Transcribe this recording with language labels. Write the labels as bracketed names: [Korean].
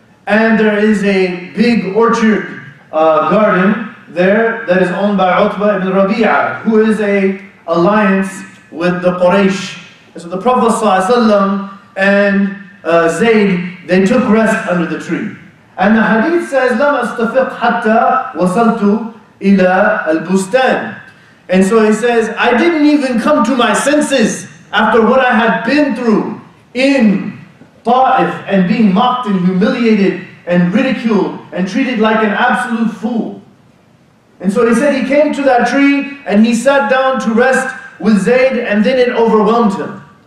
[English] And there is a big orchard garden there that is owned by Utbah ibn Rabi'ah, who is a alliance with the Quraysh. And so the Prophet ﷺ and Zayd, they took rest under the tree. And the hadith says, [Arabic] لَمْ أَسْتَفِقْ حَتَّى وَصَلْتُ إِلَى الْبُسْتَانِ. [English] And so he says, I didn't even come to my senses after what I had been through in Taif and being mocked and humiliated and ridiculed and treated like an absolute fool. And so he said he came to that tree and he sat down to rest with Zayd, and then it overwhelmed him.